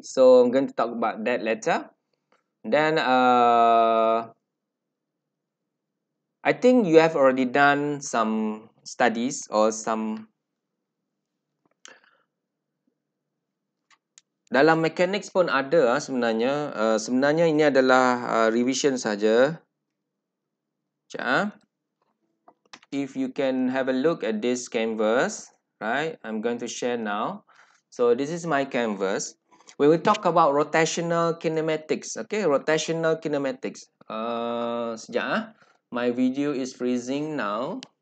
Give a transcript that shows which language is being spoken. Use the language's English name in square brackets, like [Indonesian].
[English] So I'm going to talk about that later. Then I think you have already done some studies or some. [Malay] Dalam mechanics pun ada sebenarnya. Sebenarnya ini adalah revision saja. Sekejap. [English] If you can have a look at this canvas, right? I'm going to share now. So this is my canvas. We will talk about rotational kinematics. Okay, rotational kinematics. [Malay] Sekejap. [English] My video is freezing now.